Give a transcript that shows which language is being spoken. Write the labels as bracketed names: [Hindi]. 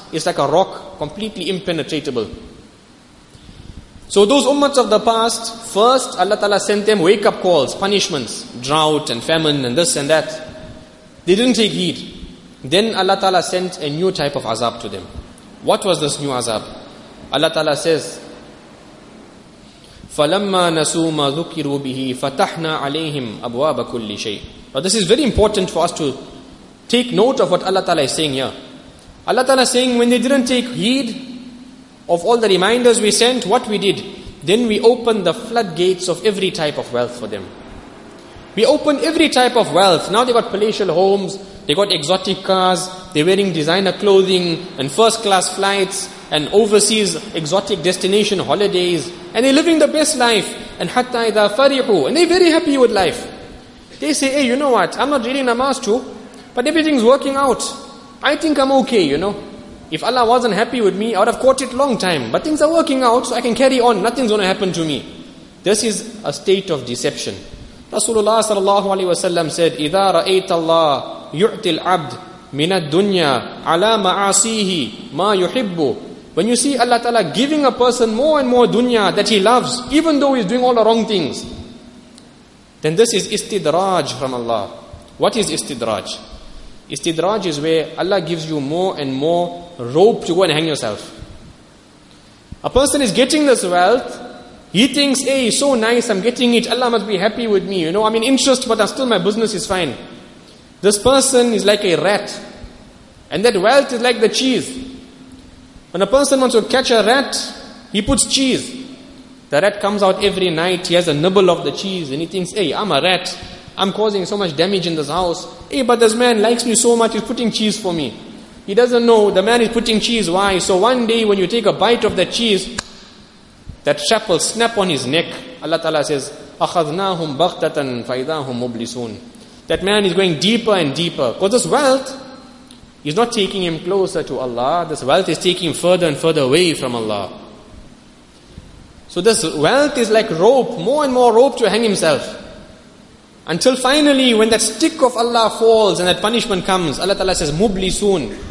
[English] It's like a rock, completely impenetrable. So those ummats of the past, first Allah Ta'ala sent them wake-up calls, punishments, drought and famine and this and that. They didn't take heed. Then Allah Ta'ala sent a new type of azab to them. What was this new azab? Allah Ta'ala says, [Arabic] فَلَمَّا نَسُوا مَا ذُكِّرُوا بِهِ فَتَحْنَا عَلَيْهِمْ أَبْوَابَ كُلِّ شَيْءٍ. [English] Now this is very important for us to take note of what Allah Ta'ala is saying here. Allah Ta'ala is saying, when they didn't take heed of all the reminders we sent, what we did? Then we opened the floodgates of every type of wealth for them. We opened every type of wealth. Now they got palatial homes, they got exotic cars, they're wearing designer clothing and first class flights and overseas exotic destination holidays, and they're living the best life. [Arabic] And حَتَّى إِذَا فَرِحُوا. [English] And they're very happy with life. They say, hey, you know what? I'm not reading namaz too, but everything's working out. I think I'm okay, you know. If Allah wasn't happy with me, I would have caught it long time. But things are working out, so I can carry on. Nothing's going to happen to me. This is a state of deception. Rasulullah sallallahu alaihi wasallam said, [Arabic] إِذَا رَأَيْتَ اللَّهُ يُعْتِ الْعَبْدِ مِنَ الدُّنْيَا عَلَى مَعَاصِيهِ مَا يُحِبُّ. [English] When you see Allah Ta'ala giving a person more and more dunya that he loves, even though he's doing all the wrong things, then this is istidraj from Allah. What is istidraj? Istidraj is where Allah gives you more and more rope to go and hang yourself. A person is getting this wealth, he thinks, hey, so nice, I'm getting it, Allah must be happy with me, you know, I'm in interest, but I'm still, my business is fine. This person is like a rat, and that wealth is like the cheese. When a person wants to catch a rat, he puts cheese. The rat comes out every night, he has a nibble of the cheese, and he thinks, hey, I'm a rat, I'm causing so much damage in this house. Hey, but this man likes me so much, he's putting cheese for me. He doesn't know the man is putting cheese, why? So one day when you take a bite of the cheese, that trap will snap on his neck. Allah Ta'ala says, [Arabic] أَخَذْنَاهُمْ بَغْتَةً فَإِذَاهُمْ مُبْلِسُونَ. [English] That man is going deeper and deeper, because this wealth is not taking him closer to Allah. This wealth is taking him further and further away from Allah. So this wealth is like rope, more and more rope to hang himself. Until finally, when that stick of Allah falls and that punishment comes, Allah Ta'ala says, Mubli soon.